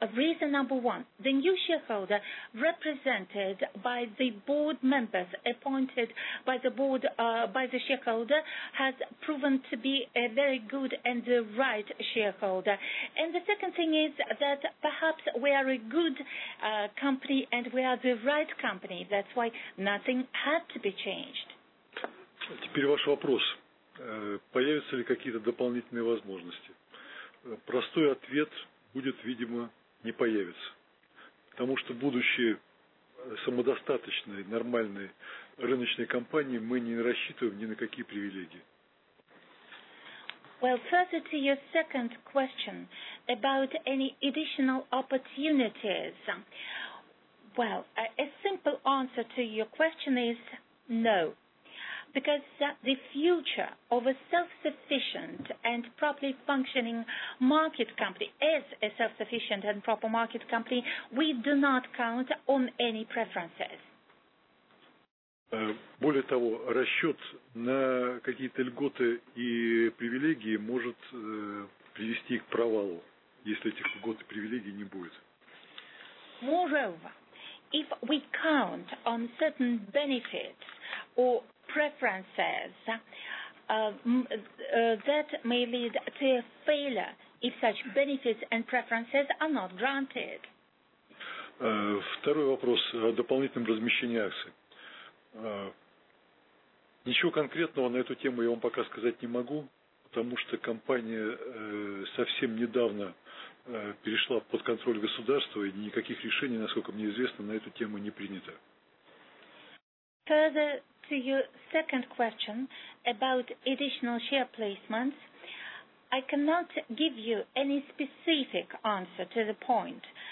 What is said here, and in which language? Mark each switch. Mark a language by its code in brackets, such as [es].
[en] Reason number one, the new shareholder represented by the board members appointed by the board by the shareholder has proven to be a very good and the right shareholder. And the second thing is that perhaps we are a good company and we are the right company. That's why nothing had to be changed. [ru] Теперь ваш вопрос. Появятся ли какие-то дополнительные возможности? Простой ответ будет, видимо, не появится. Потому что, будучи самодостаточной, нормальной рыночной компанией, мы не рассчитываем ни на какие привилегии. [en] Well, further to your second question about any additional opportunities. Well, a simple answer to your question is no. Because the future of a self-sufficient and properly functioning market company is a self-sufficient and proper market company, we do not count on any preferences. [ru] Более того, расчет на какие-то льготы и привилегии может привести к провалу, если этих льгот и привилегий не будет. [en] Moreover, if we count on certain benefits or preferences, that may lead to a failure if such benefits and preferences are not granted. [ru] Второй вопрос о дополнительном размещении акций. Ничего конкретного на эту тему я вам пока сказать не могу, потому что компания совсем недавно перешла под контроль государства, и никаких решений, насколько мне известно, на эту тему не принято. [en] Further to your second question about additional share placements, I cannot give you any specific answer to the point.